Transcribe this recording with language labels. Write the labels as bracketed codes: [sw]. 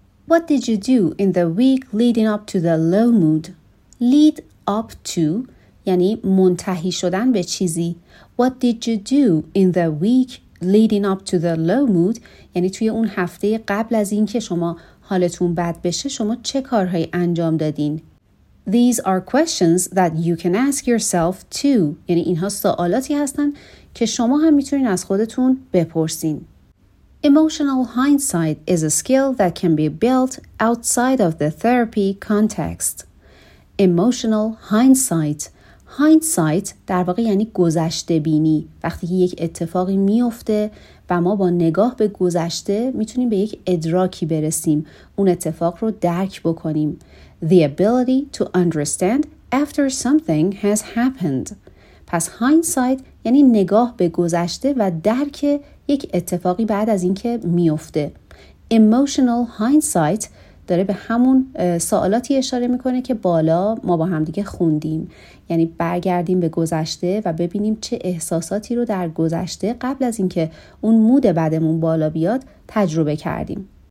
[en] What did you do in the week leading up to the low mood? [fa] Lead up to یعنی منتهی شدن به چیزی. [en] What did you do in the week leading up to the low mood [fa] یعنی توی اون هفته قبل از این که شما حالتون بد بشه شما چه کارهایی انجام دادین؟ [en] These are questions that you can ask yourself too. [fa] یعنی اینها سوالاتی هستن که شما هم میتونین از خودتون بپرسین. [en] Emotional hindsight is a skill that can be built outside of the therapy context. Emotional hindsight. [fa] Hindsight در واقع یعنی گذشته بینی. وقتی که یک اتفاقی میفته و ما با نگاه به گذشته میتونیم به یک ادراکی برسیم، اون اتفاق رو درک بکنیم. [en] The ability to understand after something has happened. [fa] پس hindsight یعنی نگاه به گذشته و درک یک اتفاقی بعد از اینکه میفته. Emotional hindsight داره به همون سوالاتی اشاره میکنه که بالا ما با همدیگه خوندیم، یعنی برگردیم به گذشته و ببینیم چه احساساتی رو در گذشته قبل از اینکه اون مود بعدمون بالا بیاد تجربه کردیم.